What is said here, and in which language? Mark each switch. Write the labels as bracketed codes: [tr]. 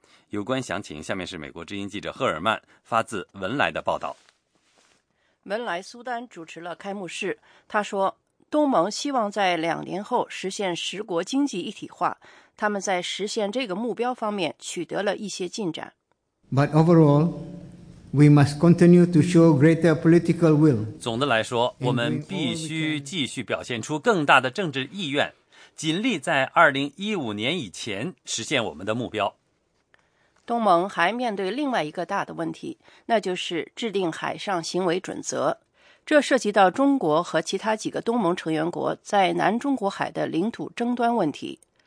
[zh] 有关详情，下面是美国之音记者赫尔曼发自文莱的报道。文莱苏丹主持了开幕式，他说，东盟希望在2年后实现十国经济一体化，他们在实现这个目标方面取得了一些进展。 [en] But overall, we must continue to show greater political will. [zh] 总的来说，我们必须继续表现出更大的政治意愿，尽力在2015年以前实现我们的目标。东盟还面对另外一个大的问题，那就是制定海上行为准则。这涉及到中国和其他几个东盟成员国在南中国海的领土争端问题。